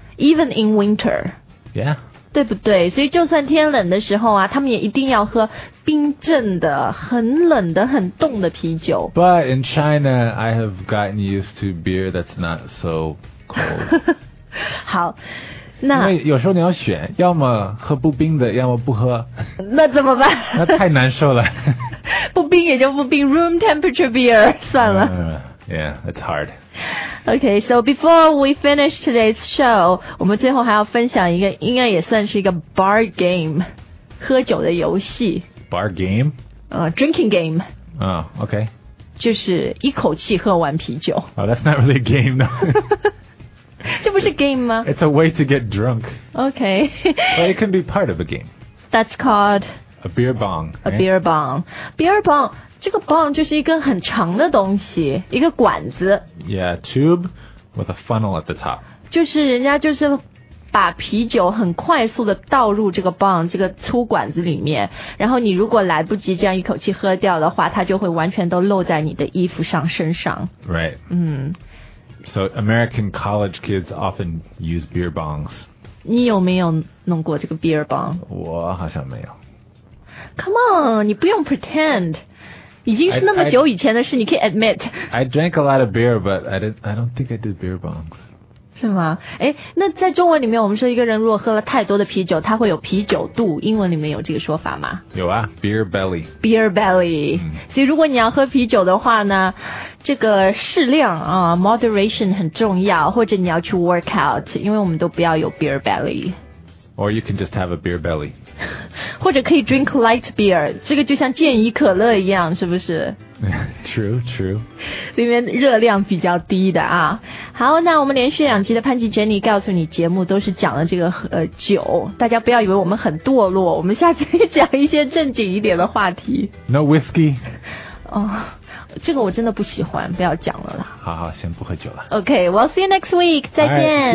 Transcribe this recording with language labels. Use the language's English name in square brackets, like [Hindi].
[English] Even in winter? Yeah. [Chinese] 对不对？所以就算天冷的时候啊，他们也一定要喝冰镇的、很冷的、很冻的啤酒。 [English] But in China, I have gotten used to beer that's not so cold. [Chinese] 好，那因为有时候你要选，要么喝不冰的，要么不喝。那怎么办？那太难受了。不冰也就不冰 ， [English] room temperature beer [Chinese] 算了。 [English] Yeah, it's hard. Okay, so before we finish today's show, [Chinese] 我们最后还要分享一个应该也算是一个 bar game, 喝酒的游戏。 [English] Bar game? Drinking game. Oh, okay. [Chinese] 就是一口气喝完啤酒。 [English] Oh, that's not really a game, though. [Chinese] 这不是 game 吗？ [English] It's a way to get drunk. Okay. But it can be part of a game. That's called... A beer bong. A beer bong. Beer bong... [Chinese] 这个 bong 就是一个很长的东西，一个管子。 [English] Yeah, tube with a funnel at the top. [Chinese] 就是人家就是把啤酒很快速的倒入这个 bong 这个粗管子里面，然后你如果来不及这样一口气喝掉的话，它就会完全都漏在你的衣服上、身上。 [English] Right. 嗯。 So American college kids often use beer bongs. [Chinese] 你有没有弄过这个 beer bong? 我好像没有。 [English] Come on, [Chinese] 你不用 [English] pretend. [Chinese] 已经是那么久以前的事 你可以 admit. [English] I drank a lot of beer, but I don't think I did beer bongs. [Chinese] 是吗？诶，那在中文里面我们说一个人如果喝了太多的啤酒，他会有啤酒肚，英文里面有这个说法吗？有啊， beer belly. Beer belly.、所以如果你要喝啤酒的话呢，这个适量啊， moderation 很重要，或者你要去 work out, 因为我们都不要有 beer belly. [English] Or you can just have a beer belly. [Chinese] 或者可以 [English] drink light beer, [Chinese] 这个就像健怡可乐一样，是不是？ [English] True, true. [Chinese] 里面热量比较低的啊。好，那我们连续两集的潘吉 Jenny 告诉你节目都是讲了这个酒，大家不要以为我们很堕落，我们下次讲一些正经一点的话题。 [English] No whiskey. [Chinese] 哦，这个我真的不喜欢，不要讲了啦。好好，先不喝酒了。 [English] OK, we'll see you next week. [Chinese] 再见。